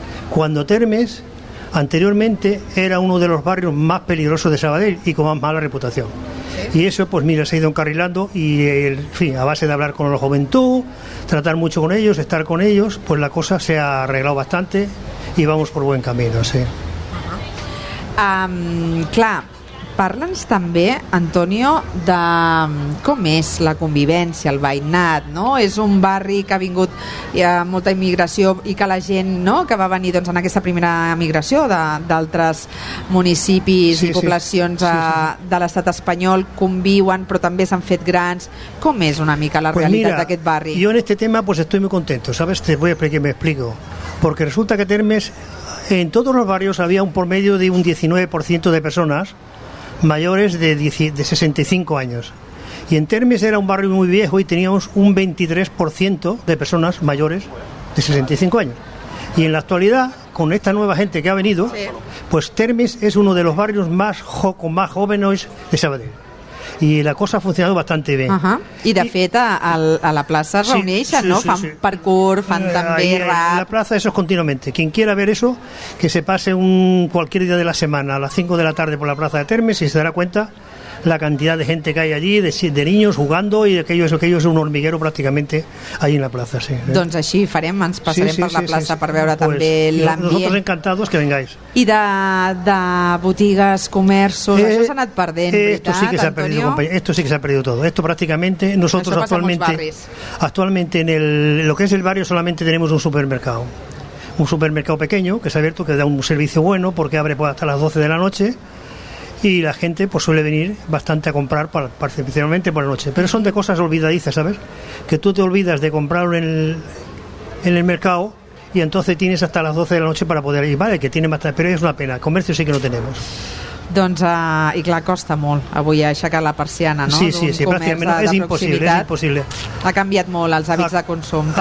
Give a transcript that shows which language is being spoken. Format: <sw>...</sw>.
<es>Cuando Termes anteriormente era uno de los barrios más peligrosos de Sabadell y con más mala reputación. Y eso pues mira, se ha ido encarrilando y en fin, a base de hablar con la juventud, tratar mucho con ellos, estar con ellos, pues la cosa se ha arreglado bastante y vamos por buen camino, sí. Claro.</es> <ca>Parla'ns també, Antonio, de com és la convivència, el veïnat, no? És un barri que ha vingut i ha molta immigració i que la gent, no?, que va venir doncs, en aquesta primera migració d'altres municipis sí, i poblacions sí. De l'estat espanyol, conviuen, però també s'han fet grans. Com és una mica la</ca> <es>pues</es> <ca>realitat d'aquest barri?</ca> <es>Yo en este tema pues estoy muy contento, ¿sabes? Te voy a explicar, me explico. Porque resulta que Termes, en todos los barrios había un promedio de un 19% de personas mayores de 65 años. Y en Termes era un barrio muy viejo y teníamos un 23% de personas mayores de 65 años. Y en la actualidad, con esta nueva gente que ha venido, sí. pues Termes es uno de los barrios con más jóvenes de Sabadell.</es> <ca>i la cosa ha funcionat bastant bé. I de fet a la plaça es reuneixen, sí, no? Fan parkour, fan també rap.</ca> <es>La plaça, eso es continuamente. Quien quiera ver eso, que se pase cualquier día de la semana a las 5 de la tarde por la plaza de Termes y se dará cuenta la cantidad de gente que hay allí, de niños jugando, y aquello es un hormiguero prácticamente ahí en la plaza, sí.</es> <ca>Doncs així farem, ens passarem per la plaça per veure també l'ambient.</ca> <es>Nosotros encantados que vengáis.</es> <ca>I de botigues, comerços, això s'ha anat perdent, veritat,</ca> <es>Antonio? Sí que s'ha perdido, compañero, esto sí que s'ha perdido todo. Esto prácticamente, nosotros actualmente en lo que es el barrio solamente tenemos un supermercado. Un supermercado pequeño que se ha abierto, que da un servicio bueno porque abre hasta las 12 de la noche. Y la gente pues suele venir bastante a comprar particularmente por la noche. Pero son de cosas olvidadizas, ¿sabes? Que tú te olvidas de comprar en el mercado y entonces tienes hasta las 12 de la noche para poder ir. Vale, que tiene bastante, pero es una pena. Comercio sí que no tenemos.</es> <ca>Doncs, i clar, costa molt avui aixecar la persiana, no? Sí, pràcticament és impossible. Ha canviat molt els hàbits de consum.</ca>